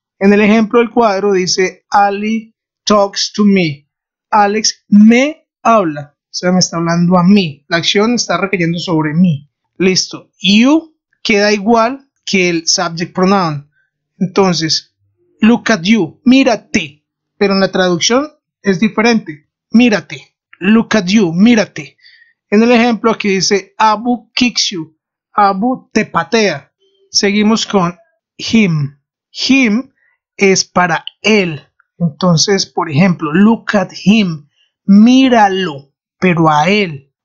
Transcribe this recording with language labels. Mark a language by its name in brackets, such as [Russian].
[Spanish] En el ejemplo del cuadro dice [English] Ali talks to me. [Spanish] Alex me habla, o sea, me está hablando a mí. La acción está recayendo sobre mí. Listo. You queda igual que el subject pronoun. [English] Entonces look at you, mírate. [Spanish] Pero en la traducción es diferente. [English] Mírate, look at you, mírate. [Spanish] En el ejemplo aquí dice [English] Abu kicks you, [Spanish] Abu te patea. Seguimos con him. Him es para él. Entonces, por ejemplo, [English] look at him, [Spanish] míralo, pero a él.